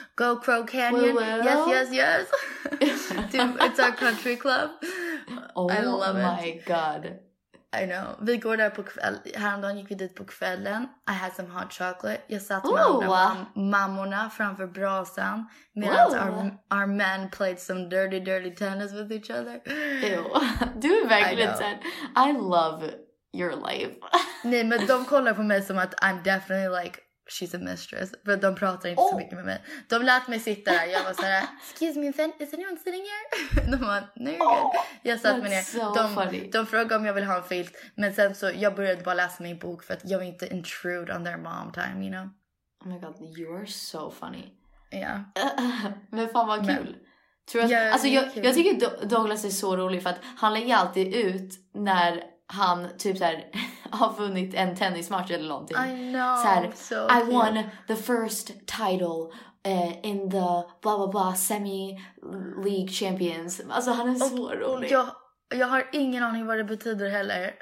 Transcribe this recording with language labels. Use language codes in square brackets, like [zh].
[en] Go Crow Canyon. Woo-woo. Yes, yes, yes. It's our country club. Oh, I love it. Oh my god. I know. [sv] Vi går där på kväll. Häromdagen gick vi dit på kvällen. [en] I had some hot chocolate. [sv] Jag satt med mammorna framför brasan. [en] Medan our men played some dirty, dirty tennis with each other. [sv] Ew. Du är verkligen sen. [en] I love your life. [sv] Nej, men de kollar på mig som att [en] I'm definitely like, she's a mistress. [sv] För de pratar inte så mycket med mig. De lät mig sitta där. Jag var såhär, [en] excuse me, is anyone sitting here? [sv] De var, [en] no, you're good. [sv] Jag satt med ner. De frågade om jag vill ha en filt. Men sen så, jag började bara läsa min bok. För att jag vill inte [en] intrude on their mom time, you know? Oh my god, you're so funny. Yeah. [sv] Men fan vad kul. Jag tycker att Douglas är så rolig. För att han lägger alltid ut när han typ såhär har vunnit en tennismatch eller någonting. [en] I know. [sv] Såhär, [en] so I won the first title in the blah blah blah semi-league champions. [sv] Alltså han är så rolig. Jag har ingen aning vad det betyder heller.